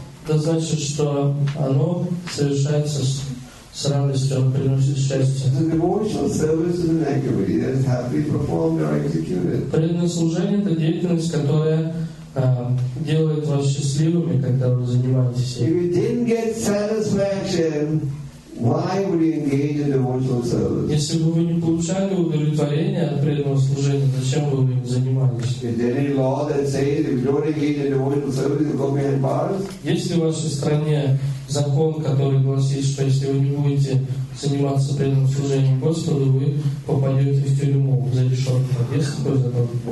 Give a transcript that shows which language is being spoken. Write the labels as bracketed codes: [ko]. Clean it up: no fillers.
[ru] Это значит, что оно совершается с радостью, оно приносит счастье. Преданное служение это деятельность, которая делает вас счастливыми, когда вы занимаетесь этим. [en] If you didn't get satisfaction, why would you engage in devotional service? [ru] Если бы вы не получали удовлетворения от преданного служения, зачем бы вы им занимались? [en] Is there any law that says if you don't engage in devotional service, you go behind bars? [ru] Есть ли в вашей стране закон, который гласит, что если вы не будете заниматься преданным служением Господу, вы попадете в тюрьму за решетку? Есть такой закон?